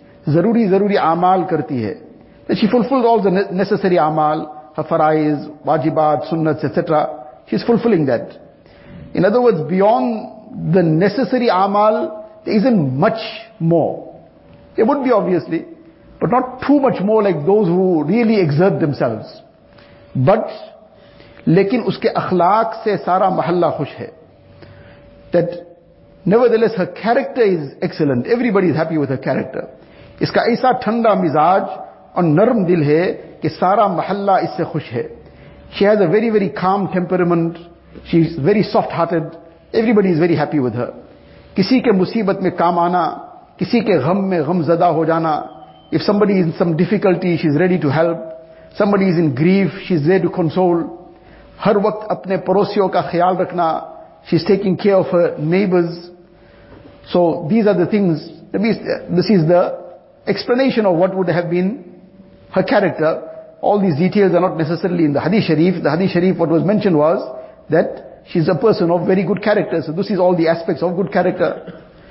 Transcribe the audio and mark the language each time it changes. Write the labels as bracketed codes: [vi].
[ur] Zaruri zaruri amal karti hai. [en] Then she fulfilled all the necessary amal, her farais, wajibat, sunnats, etc. She's fulfilling that. In other words, beyond the necessary amal, there isn't much more. It would be obviously, but not too much more like those who really exert themselves. [ur] But, لیکن اس کے اخلاق سے سارا محلہ خوش ہے. [en] That, nevertheless, her character is excellent. Everybody is happy with her character. [ur] اس کا ایسا تھنڈا مزاج اور نرم دل ہے کہ سارا محلہ اس سے خوش ہے. [en] She has a very, very calm temperament. She is very soft-hearted. Everybody is very happy with her. [ur] کسی کے مصیبت میں کام آنا, کسی کے غم میں غم زدہ ہو جانا. [en] If somebody is in some difficulty, she is ready to help. Somebody is in grief, she is there to console. [ur] ہر وقت اپنے پڑوسیوں کا خیال رکھنا. [en] She is taking care of her neighbors. So these are the things. This is the explanation of what would have been her character. All these details are not necessarily in the Hadith Sharif. The Hadith Sharif, what was mentioned was that she's a person of very good character. So this is all the aspects of good character.